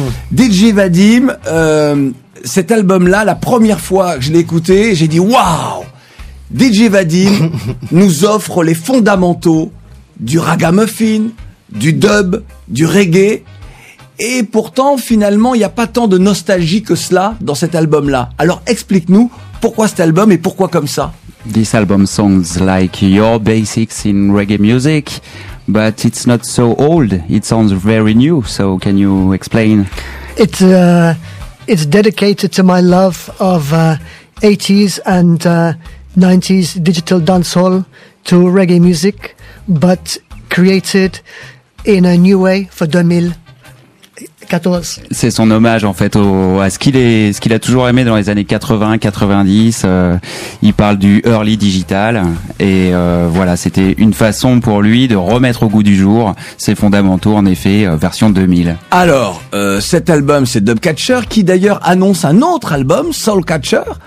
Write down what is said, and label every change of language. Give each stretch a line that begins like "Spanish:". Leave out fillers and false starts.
French: DJ Vadim, cet album-là, la première fois que je l'ai écouté, j'ai dit waouh, DJ Vadim nous offre les fondamentaux du ragamuffin, du dub, du reggae. Et pourtant, finalement, il n'y a pas tant de nostalgie que cela dans cet album-là. Alors, explique-nous pourquoi cet album et pourquoi comme ça.
English: This album sounds like your basics in reggae music, but it's not so old. It sounds very new. So, can you explain? It's dedicated to my love of 80s and 90s digital dancehall to reggae music, but created in a new way for 2000. 14.
French: C'est son hommage en fait à ce qu'il a toujours aimé dans les années 80, 90. Il parle du early digital et voilà, c'était une façon pour lui de remettre au goût du jour ses fondamentaux en effet version 2000. Alors cet album c'est Dubcatcher qui d'ailleurs annonce un autre album Soulcatcher,